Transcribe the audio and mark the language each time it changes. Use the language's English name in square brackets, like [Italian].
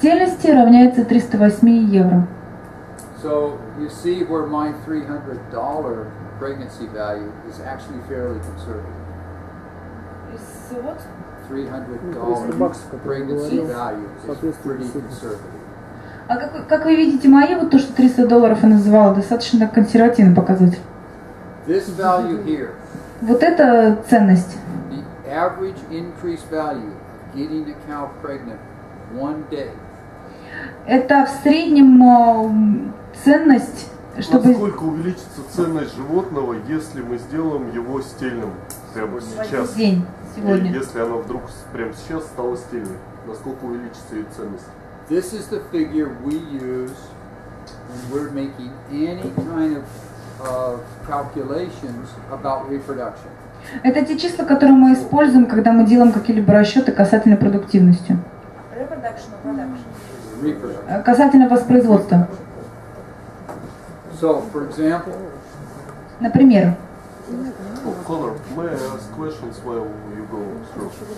[Russian] стоимость равняется 308 евро. [English] So you see where my $300 pregnancy value is actually fairly conservative. Is what? $300 pregnancy value is pretty conservative. [Russian] А как вы видите, мои, вот то, что $300 я называла, достаточно консервативный показатель. [English] This value here, [Russian] вот эта ценность. [English] The average increased value of getting a cow pregnant one day. [Russian] Это в среднем ценность, чтобы... Насколько увеличится ценность животного, если мы сделаем его стельным? Прямо сейчас. День, сегодня. И если оно вдруг прямо сейчас стало стельным, насколько увеличится ее ценность? [English] This is the figure we use when we're making any kind of calculations about reproduction. [Russian] Это те числа, которые мы используем, когда мы делаем какие-либо расчеты касательно продуктивности. [English] Reproduction. [Russian] Касательно воспроизводства. [English] So, for example. [Russian] Например. [English] Oh, Connor, may I ask questions while you go through?